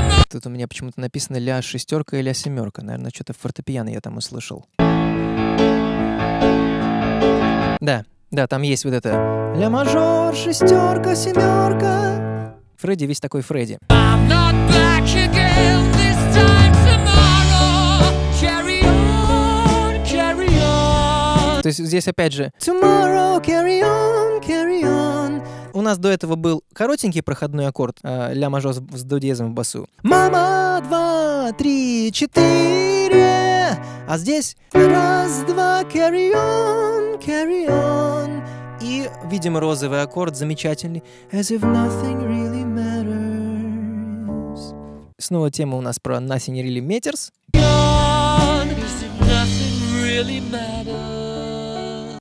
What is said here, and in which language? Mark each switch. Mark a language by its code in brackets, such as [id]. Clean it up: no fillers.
[ru] Тут у меня почему-то написано ля-шестерка и ля-семерка. Наверное, что-то фортепиано я там услышал. Да, да, там есть вот это «Ля мажор, шестерка, семерка». Фредди весь такой Фредди. [en] I'm not back again, this time tomorrow. Carry on, carry on. [ru] То есть здесь опять же [en] tomorrow, carry on, carry on. [ru] У нас до этого был коротенький проходной аккорд «Ля мажор» с до-диезом в басу. Мама, два, три, четыре. А здесь раз, два, [en] carry on, carry on. [ru] И видим розовый аккорд, замечательный. [en] As if nothing really matters. [ru] Снова тема у нас про [en] nothing really matters. Gone, as if nothing really matters.